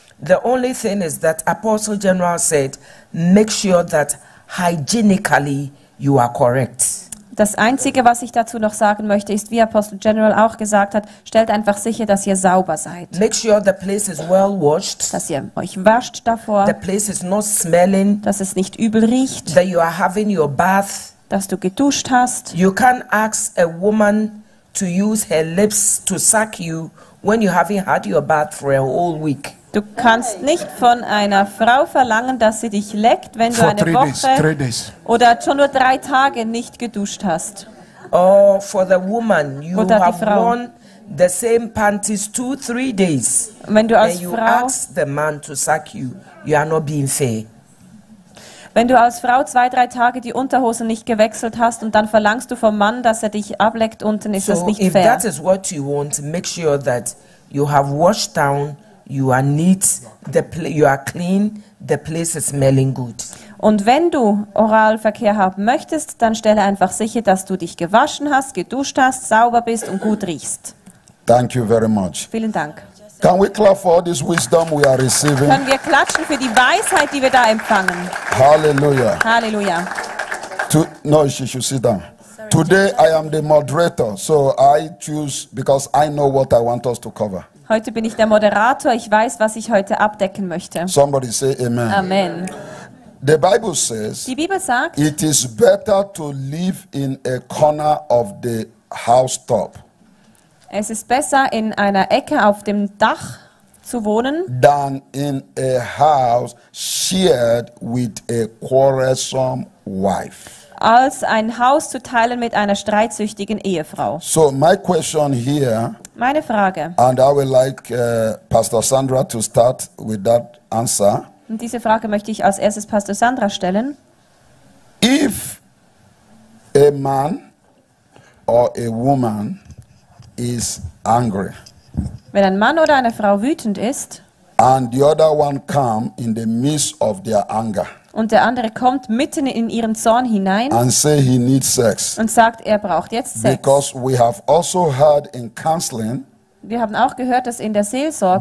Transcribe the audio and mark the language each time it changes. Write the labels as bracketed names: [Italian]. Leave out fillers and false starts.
[English] The only thing is that Apostle General said, make sure that hygienically you are correct. [German] Das Einzige, was ich dazu noch sagen möchte, ist, wie Apostle General auch gesagt hat, stellt einfach sicher, dass ihr sauber seid. [English] Make sure the place is well washed. [German] Dass ihr euch wascht davor. [English] The place is not smelling. [German] Dass es nicht übel riecht. [English] That you are having your bath. [German] Dass du geduscht hast. [English] You can ask a woman to use her lips to suck you when you haven't had your bath for a whole week. [German] Du kannst nicht von einer Frau verlangen, dass sie dich leckt, wenn du eine Woche oder schon nur drei Tage nicht geduscht hast. [English] Oh, for the woman, you [German] oder [English] have worn the same panties 2-3 days. [German] Wenn du als [English] and you [German] Frau [English] ask the man to suck you, you are not being fair. [German] Wenn du als Frau 2-3 Tage die Unterhose nicht gewechselt hast und dann verlangst du vom Mann, dass er dich ableckt unten, ist [English] so [German] das nicht [English] if [German] fair. [English] That is what you want, make sure that you have washed down, you are neat, you are clean, the place is smelling good. [German] Und wenn du Oralverkehr haben möchtest, dann stelle einfach sicher, dass du dich gewaschen hast, geduscht hast, sauber bist und gut riechst. [English] Thank you very much. [German] Vielen Dank. [English] Can we clap for all this wisdom we are receiving? [German] Können wir klatschen für die Weisheit, die wir da empfangen? [English] Hallelujah. [German] Hallelujah. [English] No, she should sit down. Sorry, today Jeff. I am the moderator, so I choose because I know what I want us to cover. [German] Heute bin ich der Moderator. Ich weiß, was ich heute abdecken möchte. [English] Somebody say amen. [German] Amen. [English] The Bible says. [German] Die Bibel sagt. [English] It is better to live in a corner of the housetop. [German] Es ist besser, in einer Ecke auf dem Dach zu wohnen, [English] than in a house shared with a quarrelsome wife. [German] Als ein Haus zu teilen mit einer streitsüchtigen Ehefrau. [English] So my question here, [German] meine Frage, [English] and I would like Pastor Sandra to start with that answer. [German] Und diese Frage möchte ich als erstes Pastor Sandra stellen. [English] If a man or a woman is angry. [German] Wenn ein Mann oder eine Frau wütend ist, [English] and the other one come in the midst of their anger, [German] und der andere kommt mitten in ihren Zorn hinein, [English] and say he needs sex, [German] und sagt, er braucht jetzt Sex. [English] Because we have also heard in counseling, [German] wir haben auch gehört, dass in der Seelsorge,